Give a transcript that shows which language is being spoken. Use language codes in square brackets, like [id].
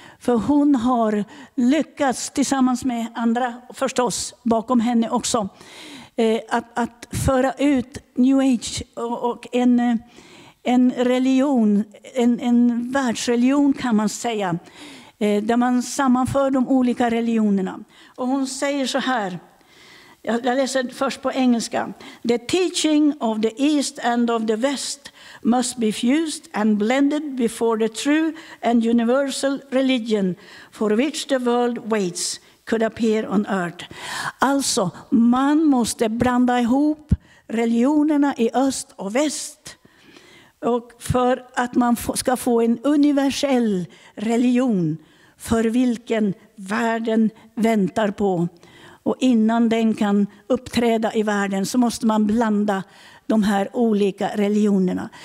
[sv] För hon har lyckats tillsammans med andra förstås bakom henne också att föra ut New Age och en religion, en världsreligion kan man säga, där man sammanför de olika religionerna. Och hon säger så här. Jag läser först på engelska. [en] The teaching of the East and of the West must be fused and blended before the true and universal religion for which the world waits could appear on earth. [sv] Alltså, man måste blanda ihop religionerna i öst och väst och för att man ska få en universell religion för vilken världen väntar på. Och innan den kan uppträda i världen så måste man blanda de här olika religionerna.